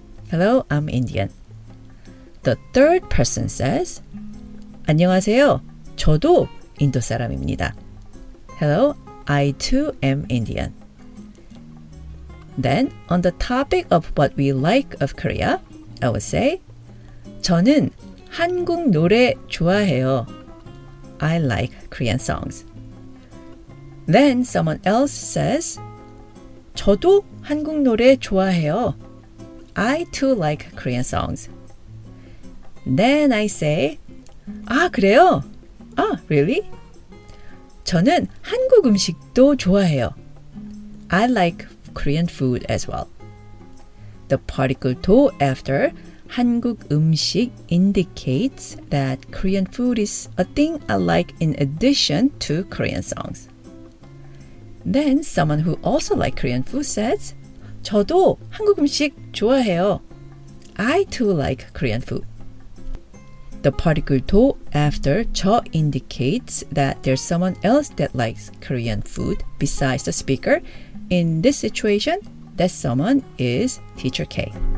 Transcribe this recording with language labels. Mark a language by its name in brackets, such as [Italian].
[English] Hello, I'm Indian. The third person says, [Korean] 안녕하세요. 저도 인도 사람입니다. [English] Hello, I too am Indian. Then, on the topic of what we like of Korea, I would say, [Korean] 저는 한국 노래 좋아해요. [English] I like Korean songs. Then someone else says, [Korean] 저도 한국 노래 좋아해요. [English] I too like Korean songs. Then I say, [Korean] 아, 그래요? [English] 아, really? [Korean] 저는 한국 음식도 좋아해요. [English] I like Korean food as well. The particle 도 after 한국 음식 indicates that Korean food is a thing I like in addition to Korean songs. Then someone who also likes Korean food says, [Korean] 저도 한국 음식 좋아해요. [English] I too like Korean food. The particle 도 after 저 indicates that there's someone else that likes Korean food besides the speaker. In this situation, that someone is Teacher K.